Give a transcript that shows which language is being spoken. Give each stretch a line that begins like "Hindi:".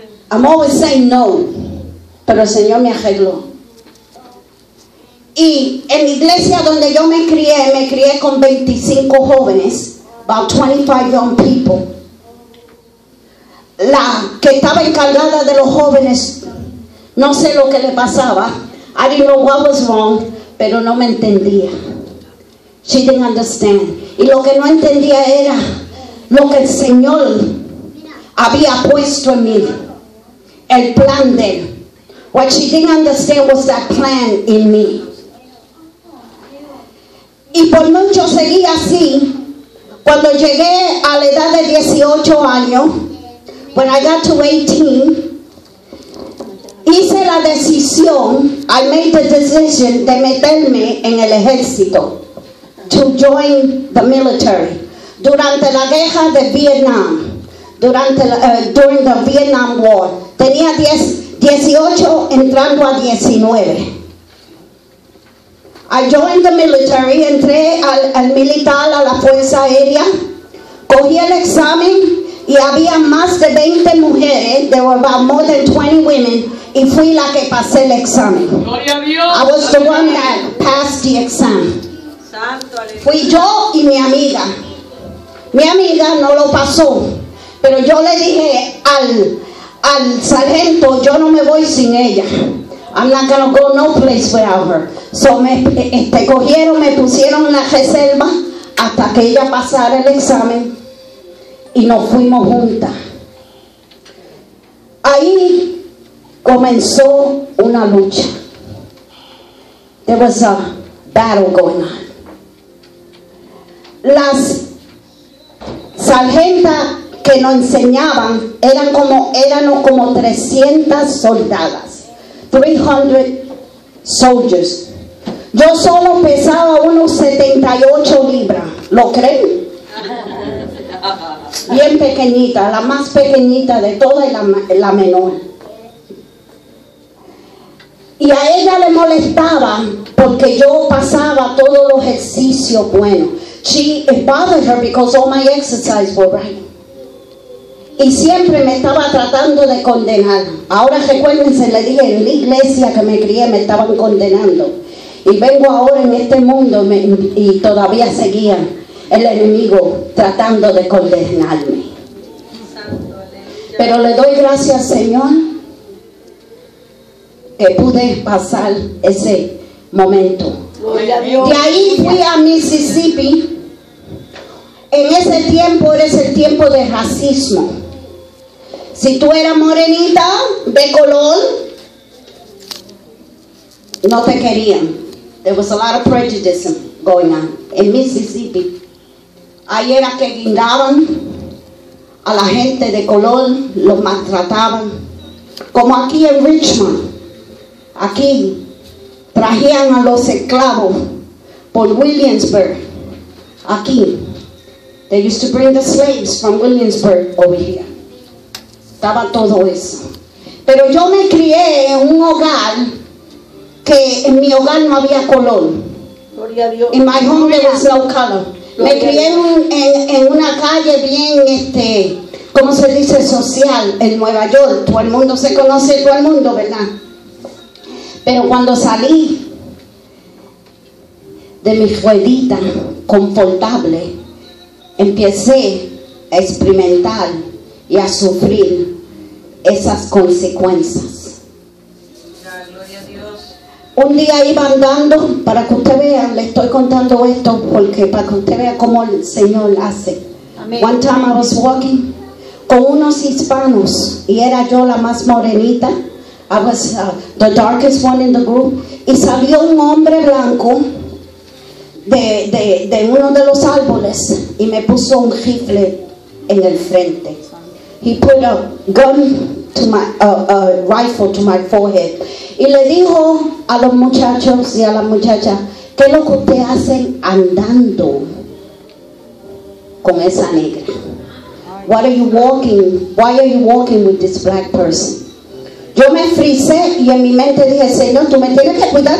English: I'm always saying no.
Spanish: Pero el Señor me arregló. Y en la iglesia donde yo me crié con 25 jóvenes.
English: About 25 young people.
Spanish: La que estaba encargada de los jóvenes, no sé lo que le pasaba.
English: I didn't know what was wrong,
Spanish: pero no me entendía.
English: She didn't understand.
Spanish: Y lo que no entendía era lo que el Señor había puesto en mí, el plan de él.
English: What she didn't understand was that plan in me.
Spanish: Y por mucho seguí así. Cuando llegué a la edad de 18 años,
English: when I got to 18,
Spanish: hice la decisión,
English: I made the decision
Spanish: de meterme en el ejército,
English: to join the military,
Spanish: durante la guerra de Vietnam,
English: during the Vietnam War.
Spanish: Tenía 18 entrando a 19.
English: I joined the military,
Spanish: entré al militar, a la Fuerza Aérea, cogí el examen, y había más de 20 mujeres,
English: there were about more than 20 women,
Spanish: y fui la que pasé el examen. Gloria a Dios.
English: I was the one that passed the exam.
Spanish: Santo, fui yo y mi amiga. Mi amiga no lo pasó, pero yo le dije al sargento, yo no me voy sin ella.
English: I'm not gonna go no place without her.
Spanish: So me pusieron en la reserva hasta que ella pasara el examen. Y nos fuimos juntas. Ahí comenzó una lucha.
English: There was a battle going on.
Spanish: Las sargentas que nos enseñaban éramos como 300 soldadas.
English: 300 soldiers.
Spanish: Yo solo pesaba unos 78 libras. ¿Lo creen? Bien pequeñita, la más pequeñita de todas y la menor. Y a ella le molestaba porque yo pasaba todos los ejercicios buenos. She bothered her because all my exercises were right. Y siempre me estaba tratando de condenar. Ahora recuérdense, le dije, en la iglesia que me crié me estaban condenando. Y vengo ahora en este mundo y todavía seguían el enemigo tratando de condenarme. Pero le doy gracias, Señor, que pude pasar ese momento. De ahí fui a Mississippi. En ese tiempo era ese tiempo de racismo. Si tú eras morenita, de color, no te querían.
English: There was a lot of prejudice going on in Mississippi.
Spanish: Ahí era que guindaban a la gente de color, los maltrataban. Como aquí en Richmond, aquí trajían a los esclavos por Williamsburg. Aquí,
English: they used to bring the slaves from Williamsburg over here.
Spanish: Estaba todo eso. Pero yo me crié en un hogar que en mi hogar no había color. Gloria a Dios.
English: In my home there was no color.
Spanish: Me crié en una calle bien, ¿cómo se dice? Social, en Nueva York. Todo el mundo se conoce, todo el mundo, ¿verdad? Pero cuando salí de mi ruedita confortable, empecé a experimentar y a sufrir esas consecuencias. Un día iba andando, para que usted vea, le estoy contando esto porque para que usted vea cómo el Señor hace. Amén.
English: One time I was walking
Spanish: con unos hispanos y era yo la más morenita.
English: I was the darkest one in the group.
Spanish: Y salió un hombre blanco de uno de los árboles y me puso un rifle en el frente.
English: He put a gun to my rifle to my forehead.
Spanish: Y le dijo a los muchachos y a las muchachas, ¿qué es lo que ustedes hacen andando con esa negra?
English: What are you walking? Why are you walking with this black person?
Spanish: Yo me frisé y en mi mente dije, Señor, tú me tienes que cuidar.